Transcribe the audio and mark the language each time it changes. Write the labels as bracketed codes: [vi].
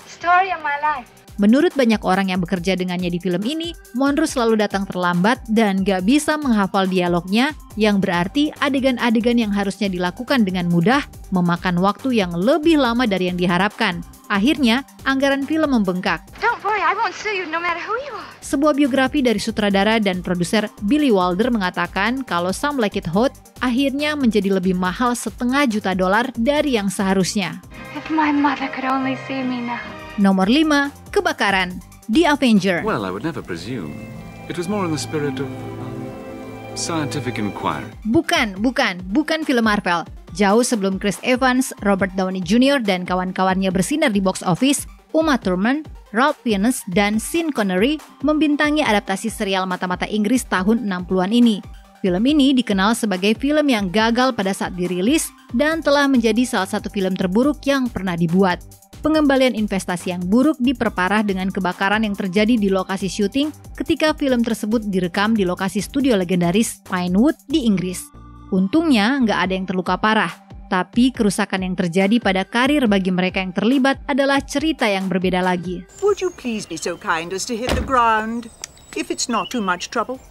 [en] Story of my life. [id] Menurut banyak orang yang bekerja dengannya di film ini, Monroe selalu datang terlambat dan gak bisa menghafal dialognya, yang berarti adegan-adegan yang harusnya dilakukan dengan mudah, memakan waktu yang lebih lama dari yang diharapkan. Akhirnya, anggaran film membengkak. [en] Don't worry, I won't sue you, no matter who you are. [id] Sebuah biografi dari sutradara dan produser Billy Wilder mengatakan kalau Some Like It Hot akhirnya menjadi lebih mahal $500.000 dari yang seharusnya. [en] If my mother could only see me now. [id] Nomor 5, kebakaran, [en] The Avenger. Well, I would never presume. It was more in the spirit of Scientific Inquiry. [id] Bukan film Marvel. Jauh sebelum Chris Evans, Robert Downey Jr. dan kawan-kawannya bersinar di box office, Uma Thurman, Ralph Fiennes, dan Sean Connery membintangi adaptasi serial mata-mata Inggris tahun 60-an ini. Film ini dikenal sebagai film yang gagal pada saat dirilis dan telah menjadi salah satu film terburuk yang pernah dibuat. Pengembalian investasi yang buruk diperparah dengan kebakaran yang terjadi di lokasi syuting ketika film tersebut direkam di lokasi studio legendaris Pinewood di Inggris. Untungnya, nggak ada yang terluka parah. Tapi kerusakan yang terjadi pada karir bagi mereka yang terlibat adalah cerita yang berbeda lagi. [en] Would you please be so kind as to hit the ground if it's not too much trouble?